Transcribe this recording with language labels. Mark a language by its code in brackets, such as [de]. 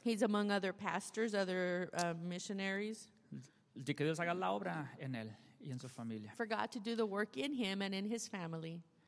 [en] He's among other pastors, other missionaries. [es] De que Dios haga la obra en él y en su familia. [en] For God to do the work in him and in his family.